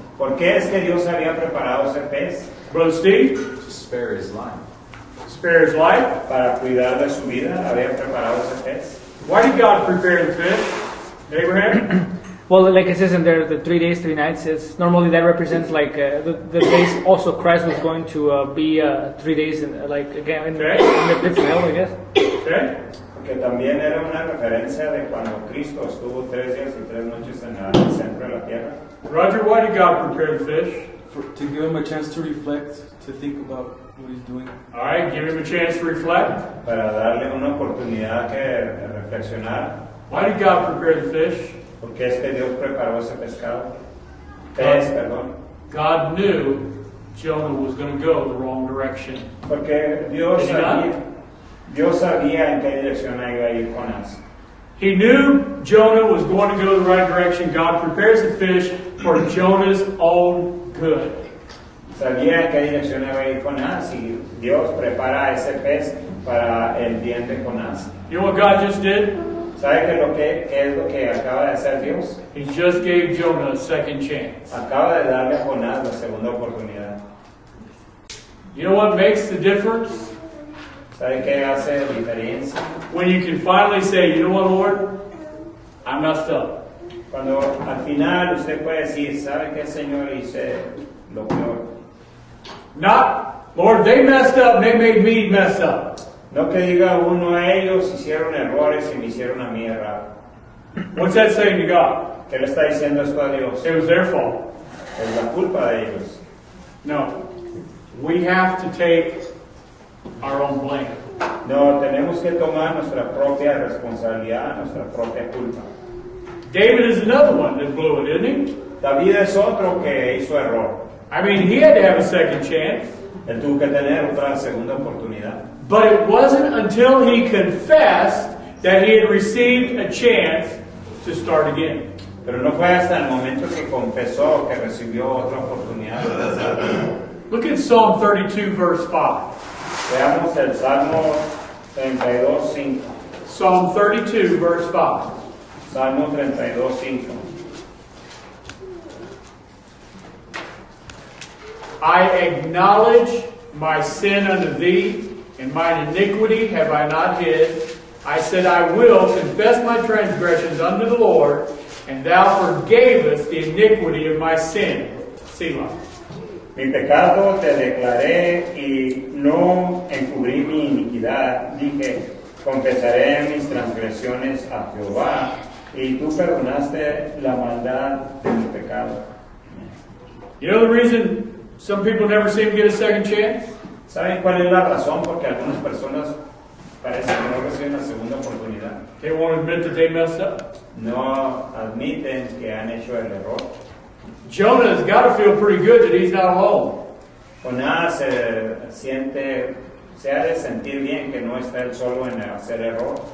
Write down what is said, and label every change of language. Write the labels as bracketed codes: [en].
[es] ¿Por qué es que Dios había preparado ese pez? [en] Brother Steve? To spare his life. Spare his life? [es] Para cuidar de su vida, había preparado ese pez. [en] Why did God prepare the fish? Abraham? Well, like it says in there, the 3 days, three nights, it's, normally that represents like the days also Christ was going to be 3 days, in, like again, in, okay. In the pit of hell, I guess. Okay. [es] Que también era una referencia de cuando Cristo estuvo 3 días y tres noches en el centro de la tierra. [en] Roger, why did God prepare the fish? To give him a chance to reflect, to think about what he's doing. All right, give him a chance to reflect. [es] Para darle una oportunidad que reflexionar. [en] Why did God prepare the fish? [es] Porque es que Dios preparó ese pescado. Pez, perdón. [en] God knew Jonah was going to go the wrong direction. [es] Porque Dios sabía. Dios sabía en qué dirección iba a ir con él. [en] He knew Jonah was going to go the right direction. God prepares the fish for Jonah's own good. [es] Sabía en qué dirección iba a ir con él y Dios prepara ese pez para el bien de Jonás. [en] You know what God just did? [es] ¿Sabe qué es lo que acaba de hacer Dios? [en] He just gave Jonah a second chance. [es] Acaba de darle a Jonás la segunda oportunidad. [en] You know what makes the difference? [es] ¿Sabe qué hace la diferencia? [en] When you can finally say, you know what, Lord? I messed up. [es] Cuando al final usted puede decir, ¿sabe qué, Señor? Y dice, lo peor. [en] Not, Lord, they messed up, they made me mess up. [es] No que diga uno, ellos hicieron errores y me hicieron a mí errar. [en] What's that saying to God? [es] ¿Qué le está diciendo esto a Dios? [en] It was their fault. [es] Es la culpa de ellos. [en] No. We have to take our own blame. [es] No, tenemos que tomar nuestra propia responsabilidad, nuestra propia culpa. [en] David is another one that blew it, isn't he? [es] David es otro que hizo error. [en] I mean, he had to have a second chance. [es] Él tuvo que tener otra segunda oportunidad. [en] But it wasn't until he confessed that he had received a chance to start again. [es] Pero no fue hasta el momento que confesó que recibió otra oportunidad. [en] Look at Psalm 32, verse 5. [es] Veamos el Salmo 32, 5. [en] Psalm 32, verse 5. [es] Salmo 32, 5. [en] I acknowledge my sin unto thee, and mine iniquity have I not hid. I said, I will confess my transgressions unto the Lord, and thou forgavest the iniquity of my sin. Selah. [es] Mi pecado te declaré, y no encubrí mi iniquidad. Dije, confesaré mis transgresiones a Jehová, y tú perdonaste la maldad de mi pecado. [en] You know the reason some people never seem to get a second chance? [es] ¿Saben cuál es la razón por que algunas personas parecen que no reciben una segunda oportunidad? [en] They won't admit that they messed up. [es] No admiten que han hecho el error. [en] Jonah's got to feel pretty good that he's not alone. [es] Jonás se ha de sentir bien que no está él solo en hacer error.